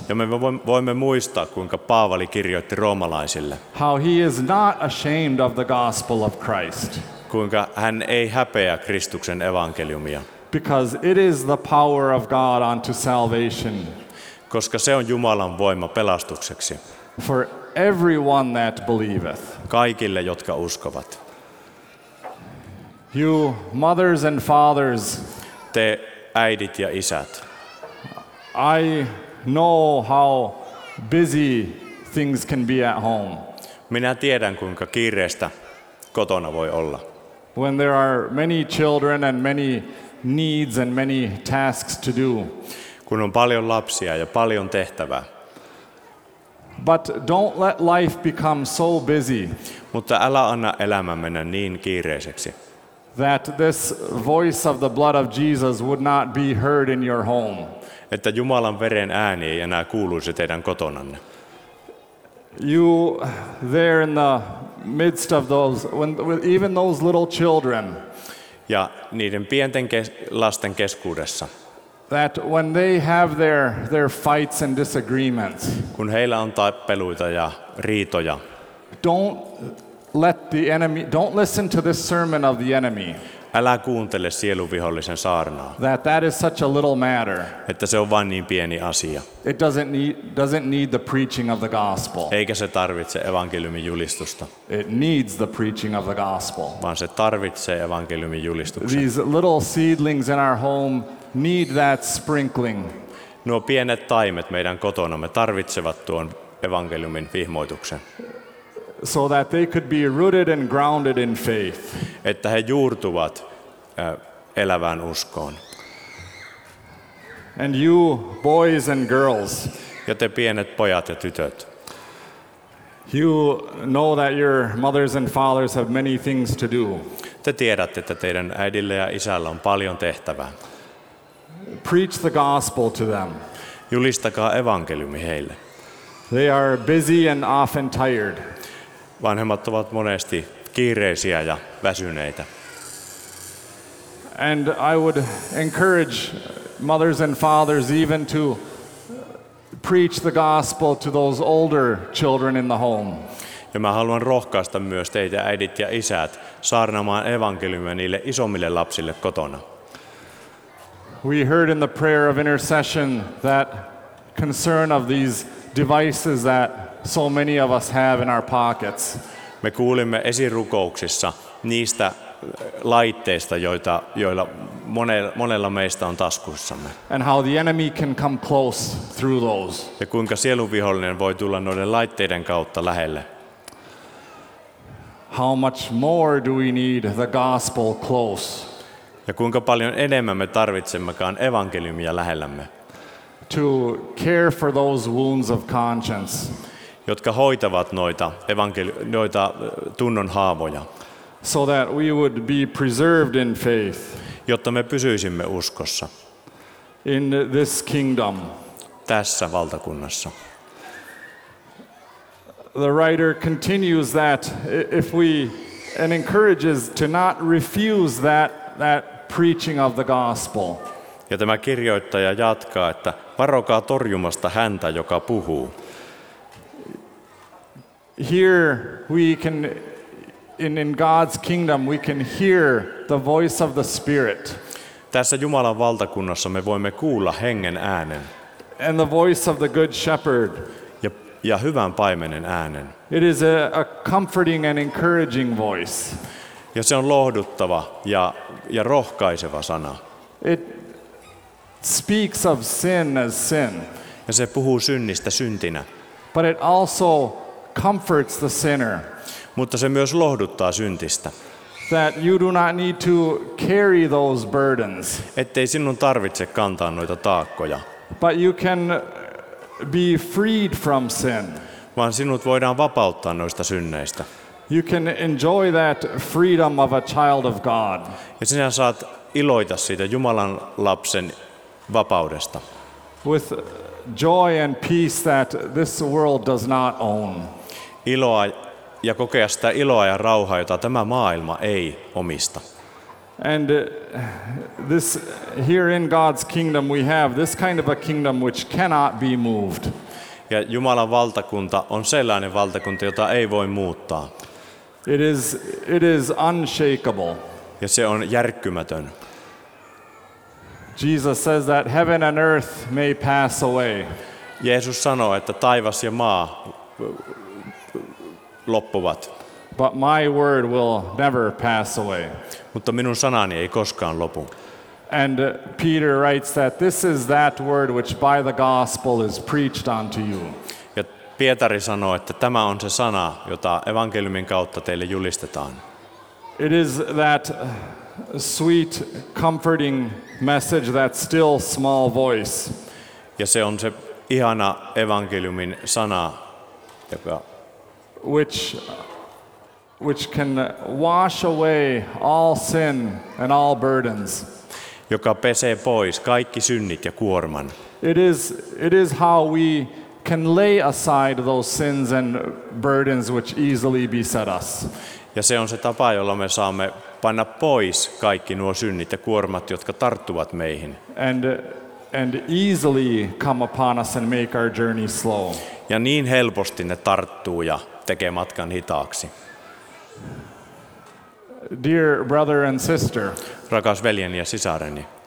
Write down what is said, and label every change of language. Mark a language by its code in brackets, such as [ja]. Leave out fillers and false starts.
[fi] Ja me voimme muistaa, kuinka Paavali kirjoitti roomalaisille. [en] How he is not ashamed of the gospel of Christ. [fi] Kuinka hän ei häpeä Kristuksen evankeliumia. [en] Because it is the power of God unto salvation. [fi] Koska se on Jumalan voima pelastukseksi. [en] For everyone that believeth. [fi] Kaikille, jotka uskovat. [en] You mothers and fathers. [fi] Te äidit ja isät. [en] I know how busy things can be at home. [fi] Minä tiedän, kuinka kiireistä kotona voi olla. [en] When there are many children and many needs and many tasks to do. [fi] Kun on paljon lapsia ja paljon tehtävää. [en] But don't let life become so busy. [fi] Mutta älä anna elämän mennä niin kiireiseksi. [en] That this voice of the blood of Jesus would not be heard in your home. [fi] Että Jumalan veren ääni ei enää kuuluisi teidän kotonanne. [en] You there in the midst of those, even those little children. [fi] Ja niiden pienten lasten keskuudessa. [en] That when they have their fights and disagreements. [fi] Kun heillä on tappeluita ja riitoja. [en] Don't let the enemy, don't listen to this sermon of the enemy. [fi] Älä kuuntele sielunvihollisen saarnaa. [en] That is such a little matter. [fi] Että se on vain niin pieni asia. [en] It doesn't need the preaching of the gospel. [fi] Eikä se tarvitse evankeliumin julistusta. [en] It needs the preaching of the gospel. [fi] Vaan se tarvitsee evankeliumin julistuksen. [en] These little seedlings in our home need that sprinkling. [fi] Nuo pienet taimet meidän kotonamme tarvitsevat tuon evankeliumin vihmoituksen. [en] So that they could be rooted and grounded in faith. [fi] Että he juurtuvat elävään uskoon. [en] And you boys and girls. [fi] Ja te pienet pojat ja tytöt. [en] You know that your mothers and fathers have many things to do. [fi] Te tiedätte, että teidän äidille ja isällä on paljon tehtävää. [en] Preach the gospel to them. [fi] Julistakaa evankeliumi heille. [en] They are busy and often tired. [fi] Vanhemmat ovat monesti kiireisiä ja väsyneitä. [en] And I would encourage mothers and fathers even to preach the gospel to those older children in the home. [fi] Ja mä haluan rohkaista myös teitä äidit ja isät saarnaamaan evankeliumia niille isommille lapsille kotona. [en] We heard in the prayer of intercession that concern of these devices that so many of us have in our pockets. [fi] Me kuulimme esirukouksissa niistä laitteista, joilla monella meistä on taskussamme. [en] And how the enemy can come close through those. [fi] Ja kuinka sielunvihollinen voi tulla noiden laitteiden kautta lähelle. [en] How much more do we need the gospel close? [fi] Ja kuinka paljon enemmän me tarvitsemmekaan evankeliumia lähellämme. [en] To care for those wounds of conscience. [fi] Jotka hoitavat noita tunnon haavoja. [en] So that we would be preserved in faith. [fi] Jotta me pysyisimme uskossa. [en] In this kingdom. [fi] Tässä valtakunnassa. [en] The writer continues that if we and encourages to not refuse that preaching of the gospel. [fi] Ja tämä kirjoittaja jatkaa, että varokaa torjumasta häntä, joka puhuu. [en] Here we can in God's kingdom we can hear the voice of the Spirit. [fi] Tässä Jumalan valtakunnassa me voimme kuulla hengen äänen. [en] And the voice of the good shepherd. [fi] Ja hyvän paimenen äänen. [en] It is a comforting and encouraging voice. [fi] Ja se on lohduttava ja rohkaiseva sana. [en] It speaks of sin as sin. [fi] Ja se puhuu synnistä syntinä. [en] But it also comforts the sinner. [fi] Mutta se myös lohduttaa syntistä. [en] That you do not need to carry those burdens. [fi] Ettei sinun tarvitse kantaa noita taakkoja. [en] But you can be freed from sin. [fi] Vaan sinut voidaan vapauttaa noista synneistä. [en] You can enjoy that freedom of a child of God. [fi] Ja sinä saat iloita siitä Jumalan lapsen vapaudesta. [en] With joy and peace that this world does not own. [fi] Iloa ja kokea sitä iloa ja rauhaa, jota tämä maailma ei omista. [en] And this here in God's kingdom we have this kind of a kingdom which cannot be moved. [fi] Ja Jumalan valtakunta on sellainen valtakunta, jota ei voi muuttaa. [en] It is unshakable. [fi] Ja se on järkkymätön. [en] Jesus says that heaven and earth may pass away. [fi] Jeesus sanoo, että taivas ja maa loppuvat. [en] But my word will never pass away. [fi] Mutta minun sanani ei koskaan lopu. [en] And Peter writes that this is that word which by the gospel is preached unto you. [fi] Ja Pietari sanoo, että tämä on se sana, jota evankeliumin kautta teille julistetaan. [en] It is that sweet comforting message that still small voice. [fi] Ja se on se ihana evankeliumin sana, joka [en] which can wash away all sin and all burdens. [fi] Joka pesee pois kaikki synnit ja kuorman. [en] It is how we can lay aside those sins and burdens which easily beset us. [fi] Ja se on se tapa, jolla me saamme panna pois kaikki nuo synnit ja kuormat, jotka tarttuvat meihin. [en] And easily come upon us and make our journey slow. [fi] Ja niin helposti ne tarttuu ja tekee matkan hitaaksi. [en] Dear brother and sister, [fi] rakas veljeni ja sisareni,